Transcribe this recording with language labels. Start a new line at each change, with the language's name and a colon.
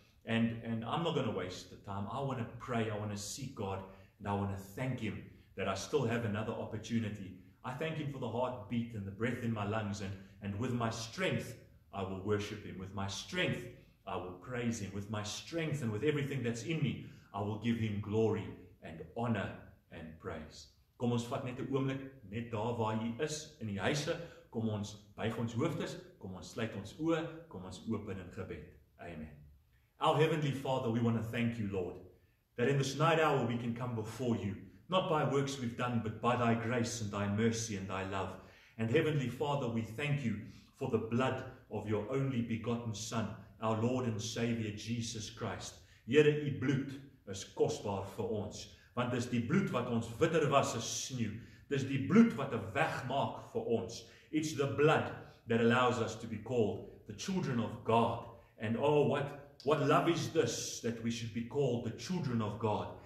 English: And I'm not going to waste the time. I want to pray, I want to seek God, and I want to thank Him that I still have another opportunity. I thank Him for the heartbeat and the breath in my lungs, and with my strength, I will worship Him. With my strength, I will praise Him. With my strength and with everything that's in me, I will give Him glory and honor and praise.
Afrikaans: Kom ons vat net 'n oomblik, net daar waar jy is, in die huise, kom ons buig ons hoofdes, kom ons sluit ons oë, kom ons open in gebed. Amen.
English: Our Heavenly Father, we want to thank You, Lord, that in this night hour we can come before You, not by works we've done, but by Thy grace and Thy mercy and Thy love. And Heavenly Father, we thank You for the blood of Your only begotten Son, our Lord and Savior, Jesus Christ.
Afrikaans: Here, die bloed is kostbaar vir ons, want dis die bloed wat ons witter was as sneeu. Dis die bloed wat 'n weg maak vir ons.
English: It's the blood that allows us to be called the children of God. And oh, what love is this that we should be called the children of God.